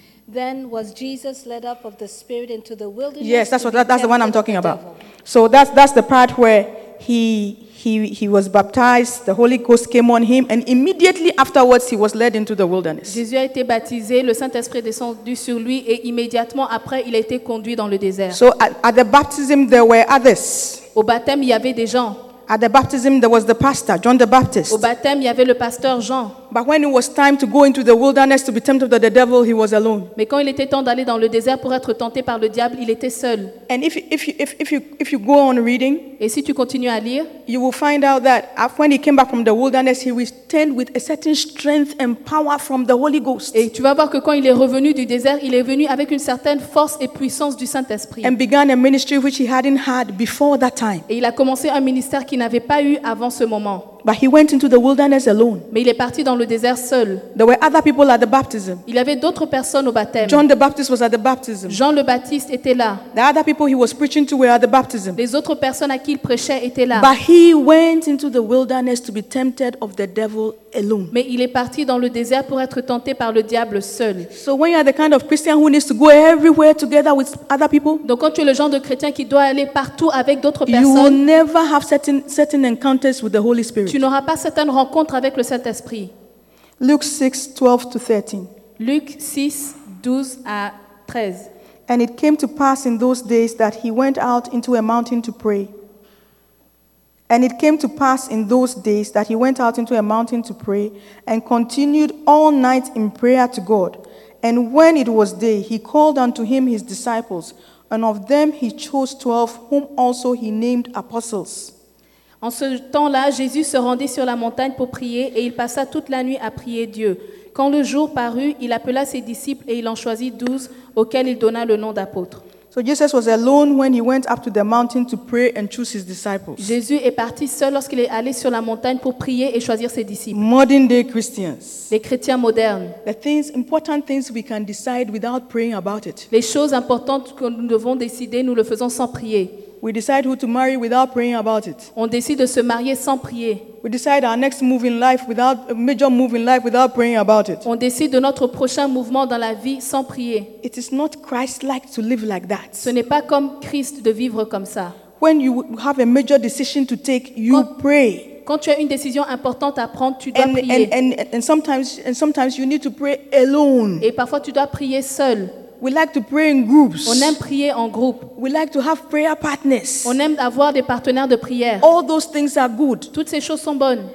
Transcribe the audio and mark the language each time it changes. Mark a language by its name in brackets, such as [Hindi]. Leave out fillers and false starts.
[English] Then was Jesus led up of the Spirit into the wilderness. Yes, that's the one I'm talking about. So that's the part where he was baptized, the Holy Ghost came on him, and immediately afterwards he was led into the wilderness. [French] Jésus a été baptisé, le Saint-Esprit descendu sur lui, et immédiatement après il a été conduit dans le désert. [English] So at the baptism there were others. [French] Au baptême il y avait des gens. [English] At the baptism, there was the pastor, John the Baptist. [French] Au baptême, il y avait le pasteur Jean. [English] But when it was time to go into the wilderness to be tempted by the devil, he was alone. [French] Mais quand il était temps d'aller dans le désert pour être tenté par le diable, il était seul. [English] And if you go on reading, [French] et si tu continues à lire, [English] you will find out that after when he came back from the wilderness, he returned with a certain strength and power from the Holy Ghost. [French] Et tu vas voir que quand il est revenu du désert, il est venu avec une certaine force et puissance du Saint-Esprit. [English] And began a ministry which he hadn't had before that time. [French] Et il a commencé un ministère qu'il n'avait pas eu avant ce moment. [English] But he went into the wilderness alone. [French] Mais il est parti dans le désert seul. [English] There were other people at the baptism. [French] Il y avait d'autres personnes au baptême. [English] John the Baptist was at the baptism. [French] Jean le Baptiste était là. [English] The other people he was preaching to were at the baptism. [French] Les autres personnes à qui il prêchait étaient là. [English] But he went into the wilderness to be tempted of the devil alone. [French] Mais il est parti dans le désert pour être tenté par le diable seul. [English] So when you are the kind of Christian who needs to go everywhere together with other people, [French] donc quand tu es le genre de chrétien qui doit aller partout avec d'autres personnes, [English] you will never have certain encounters with the Holy Spirit. [French] Tu n'auras pas certaines rencontres avec le Saint-Esprit. [English] Luke 6, 12 to 13. [French] Luke 6, 12 à 13. [English] And it came to pass in those days that he went out into a mountain to pray. And it came to pass in those days that he went out into a mountain to pray and continued all night in prayer to God. And when it was day, he called unto him his disciples, and of them he chose 12, whom also he named apostles. [French] En ce temps-là, Jésus se rendit sur la montagne pour prier et il passa toute la nuit à prier Dieu. Quand le jour parut, il appela ses disciples et il en choisit 12 auxquels il donna le nom d'apôtres. [English] So Jesus was alone when he went up to the mountain to pray and choose his disciples. [French] Jésus est parti seul lorsqu'il est allé sur la montagne pour prier et choisir ses disciples. [English] Modern day Christians. [French] Les chrétiens modernes. [English] The things, important things we can decide without praying about it. [French] Les choses importantes que nous devons décider, nous le faisons sans prier. [English] We decide who to marry without praying about it. [French] On décide de se marier sans prier. [English] We decide our next move in life without a major move in life without praying about it. [French] On décide de notre prochain mouvement dans la vie sans prier. [English] It is not Christ-like to live like that. [French] Ce n'est pas comme Christ de vivre comme ça. [English] When you have a major decision to take, you pray. [French] Quand tu as une décision importante à prendre, tu dois [English] prier. And sometimes you need to pray alone. [French] Et parfois tu dois prier seul. [English] We like to pray in groups. [French] On aime prier en groupe. [English] We like to have prayer partners. [French] On aime avoir des partenaires de prière. [English] All those things are good. [French] Toutes ces choses sont bonnes.